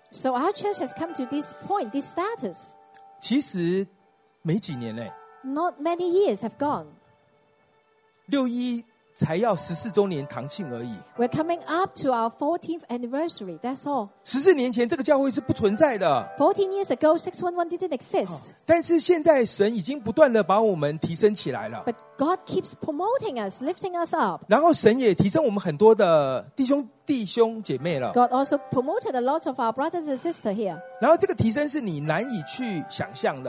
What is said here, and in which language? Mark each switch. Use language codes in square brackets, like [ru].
[en] So our church has come to this point, this status. [zh] 其实没几年 [en] Not many years have gone. [zh] 611才要14周年堂庆而已。 [en] We're coming up to our 14th anniversary. That's all. [zh] 14年前这个教会是不存在的。 [en] 14 years ago, 611 didn't exist. [zh] 但是现在神已经不断地把我们提升起来了。 [en] But God keeps promoting us, lifting us up. [zh] 然后神也提升我们很多的弟兄姐妹了。 [en] God also promoted a lot of our brothers and sisters here. [zh] 然后这个提升是你难以去想象的。